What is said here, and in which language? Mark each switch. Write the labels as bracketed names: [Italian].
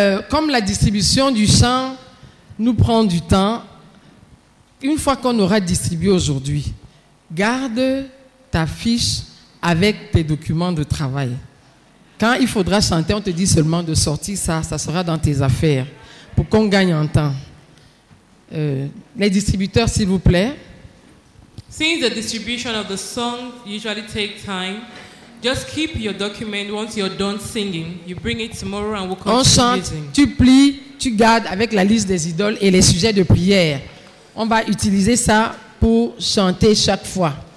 [French] Comme la distribution du chant nous prend du temps, une fois qu'on aura distribué aujourd'hui, garde ta fiche avec tes documents de travail. Quand il faudra chanter, on te dit seulement de sortir ça, ça sera dans tes affaires, pour qu'on gagne en temps. Les distributeurs, s'il vous plaît. [English] Since the distribution of the song usually takes time, just keep your document once you're done singing. You bring it tomorrow and we'll continue. [French] On chante, tu plies, tu gardes avec la liste des idoles et les sujets de prière. On va utiliser ça pour chanter chaque fois.